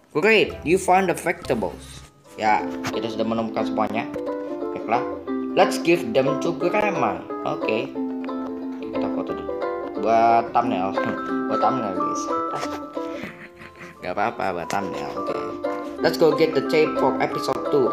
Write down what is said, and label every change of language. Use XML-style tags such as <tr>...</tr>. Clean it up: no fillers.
<en>Great, you find the vegetables.</en> <id>Ya, kita sudah menemukan semuanya. Baiklah,</id> <en>let's give them to grandma.</en> <id>Oke, okay. Kita foto dulu. Buat thumbnail. Buat thumbnail, guys. Gak apa-apa, buat thumbnail. Oke. Okay.</id> <en>Let's go get the tape for episode 2.</en>